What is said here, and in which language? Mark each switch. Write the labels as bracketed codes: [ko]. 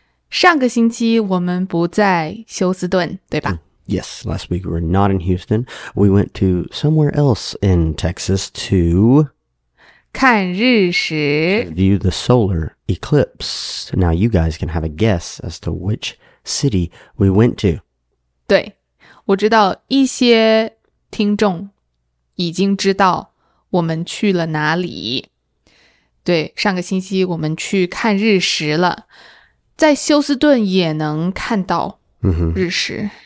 [zh] 上个星期我们不在休斯顿，对吧？ [en] Yes, last week we were not in Houston. We went to somewhere else in Texas to... [zh] 看日食。 [en] To view the solar eclipse. Now you guys can have a guess as to which city we went to. [zh] 对,我知道一些听众已经知道我们去了哪里。对,上个星期我们去看日食了。在休斯顿也能看到日食。